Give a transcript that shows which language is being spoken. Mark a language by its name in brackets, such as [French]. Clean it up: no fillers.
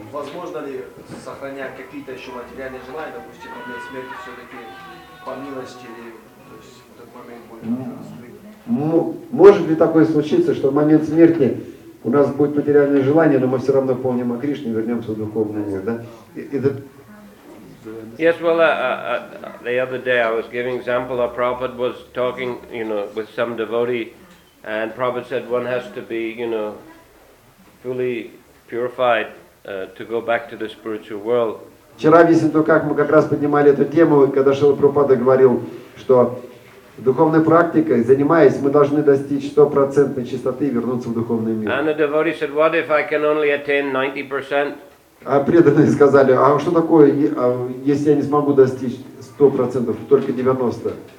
[Russian] Возможно ли сохранять какие-то еще материальные желания, допустим, после смерти все-таки по милости или то есть в момент будет? Может ли такое случиться, что в момент смерти у нас будет материальное желание, но мы все равно помним о Кришне и вернемся в духовный мир, да? [English] Yes, well, the other day I was giving example. A prophet was talking, you know, with some devotee. And Prabhupada said one has to be, you know, fully purified to go back to the spiritual world. [Russian] Вчера объясню, как мы как раз поднимали эту тему, когда Шрила Прабхупада говорил, что духовной практикой, занимаясь, мы должны достичь 100% чистоты и вернуться в духовный мир. [English] And the devotee said, what if I can only attain 90%? [Russian] А преданные сказали, а что такое, если я не смогу достичь 100%, только 90%?